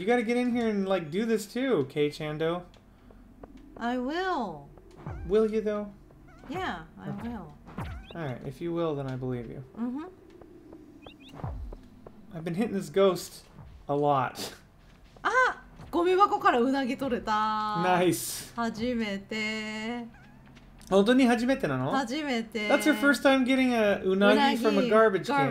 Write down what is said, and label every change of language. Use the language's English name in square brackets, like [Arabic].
[English] You gotta get in here and like do this too, Kay Chando. I will. Will you though? Yeah, I will. Alright, if you will, then I believe you. Mm-hmm. I've been hitting this ghost a lot. [Japanese] ゴミ箱からうなぎ取れた。ナイス。初めて。本当に初めてなの? 初めて。 [English] That's your first time getting a unagi from a garbage can.